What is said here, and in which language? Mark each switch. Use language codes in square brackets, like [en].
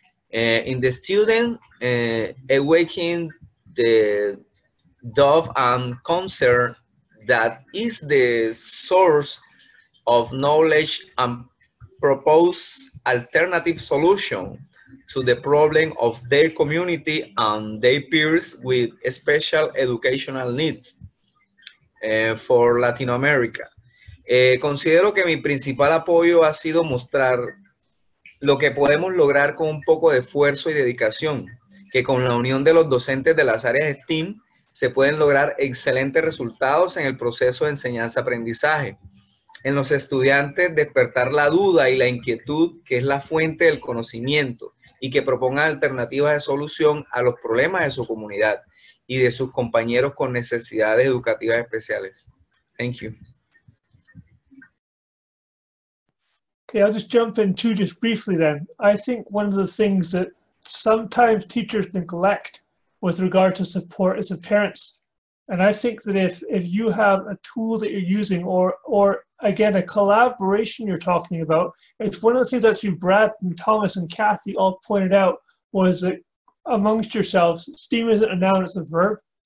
[en] In the student, awakening the doubt and concern that is the source of knowledge and propose alternative solution to the problem of their community and their peers with special educational needs. for Latin America. [es] Considero que mi principal apoyo ha sido mostrar lo que podemos lograr con un poco de esfuerzo y dedicación, que con la unión de los docentes de las áreas de STEAM se pueden lograr excelentes resultados en el proceso de enseñanza-aprendizaje. En los estudiantes, despertar la duda y la inquietud, que es la fuente del conocimiento, y que propongan alternativas de solución a los problemas de su comunidad y de sus compañeros con necesidades educativas especiales. [en] Thank you. Okay, I'll just jump in too, just briefly then. I think one of the things that sometimes teachers neglect with regard to support is the parents. And I think that if you have a tool that you're using or again, a collaboration you're talking about, it's one of the things actually Brad and Thomas and Kathy all pointed out was that amongst yourselves, STEAM isn't a noun, it's a verb.